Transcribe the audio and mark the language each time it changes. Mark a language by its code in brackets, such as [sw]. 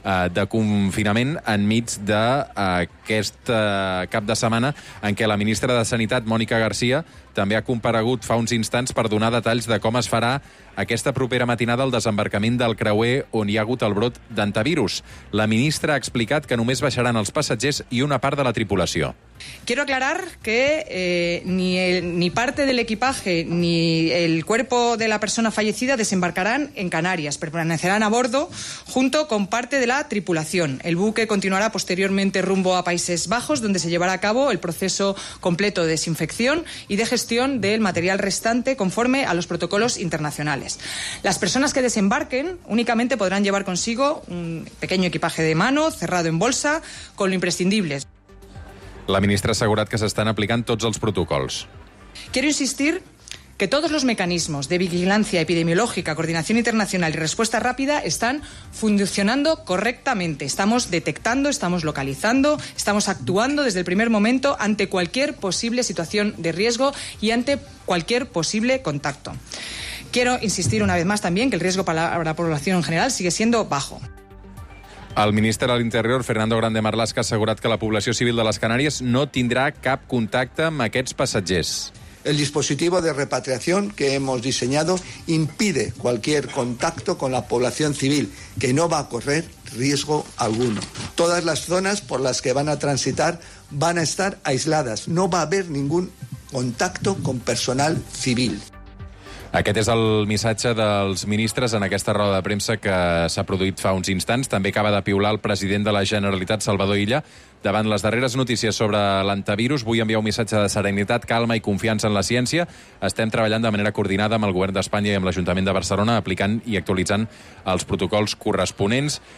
[ca] de confinament enmig d'aquest cap de setmana en què la ministra de Sanitat, Mònica García, també ha comparegut fa uns instants per donar detalls de com es farà aquesta propera matinada el desembarcament del creuer on hi ha hagut el brot d'antivirus. La ministra ha explicat que només baixaran els passatgers i una part de la tripulació. [es] Quiero aclarar que ni parte del equipaje ni el cuerpo de la persona fallecida desembarcarán en Canarias, permanecerán a bordo junto con parte de la tripulación. El buque continuará posteriormente rumbo a Países Bajos, donde se llevará a cabo el proceso completo de desinfección y de gestión del material restante conforme a los protocolos internacionales. Las personas que desembarquen únicamente podrán llevar consigo un pequeño equipaje de mano cerrado en bolsa con lo imprescindible. [ca] La ministra ha assegurat que s'estan aplicant tots els protocols. [es] Quiero insistir que todos los mecanismos de vigilancia epidemiológica, coordinación internacional y respuesta rápida están funcionando correctamente. Estamos detectando, estamos localizando, estamos actuando desde el primer momento ante cualquier posible situación de riesgo y ante cualquier posible contacto. Quiero insistir una vez más también que el riesgo para la población en general sigue siendo bajo. [ca] El ministre de l'Interior, Fernando Grande Marlaska, ha assegurat que la població civil de les Canàries no tindrà cap contacte amb aquests passatgers. [es] El dispositivo de repatriación que hemos diseñado impide cualquier contacto con la población civil, que no va a correr riesgo alguno. Todas las zonas por las que van a transitar van a estar aisladas. No va a haber ningún contacto con personal civil. [ca] Aquest és el missatge dels ministres en aquesta roda de premsa que s'ha produït fa uns instants. També acaba de piular el president de la Generalitat, Salvador Illa. Davant les darreres notícies sobre l'antivirus, vull enviar un missatge de serenitat, calma i confiança en la ciència. Estem treballant de manera coordinada amb el govern d'Espanya i amb l'Ajuntament de Barcelona, aplicant i actualitzant els protocols corresponents.